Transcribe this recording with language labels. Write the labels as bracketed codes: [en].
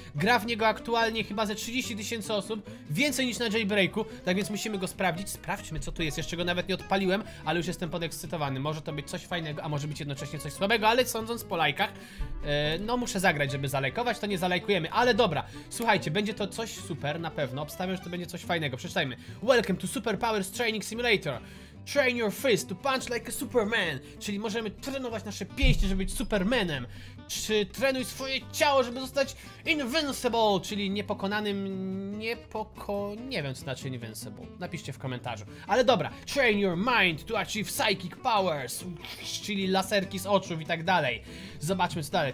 [pl] Gra w niego aktualnie chyba ze 30 tysięcy osób, więcej niż na Jailbreaku, tak więc musimy go sprawdzić. Sprawdźmy, co tu jest, jeszcze go nawet nie odpaliłem, ale już jestem podekscytowany. Może to być coś fajnego, a może być jednocześnie coś słabego, ale sądząc po lajkach, no muszę zagrać, żeby zalajkować, to nie zalajkujemy. Ale dobra, słuchajcie, będzie to coś super na pewno, obstawiam, że to będzie coś fajnego. Przeczytajmy: [en] Welcome to Super Powers Training Simulator. Train your fist to punch like a superman. [pl] Czyli możemy trenować nasze pięści, żeby być supermanem. Czy trenuj swoje ciało, żeby zostać invincible, czyli niepokonanym. Nie wiem, co znaczy invincible. Napiszcie w komentarzu. Ale dobra, [en] train your mind to achieve psychic powers, [pl] czyli laserki z oczu i tak dalej. Zobaczmy, co dalej.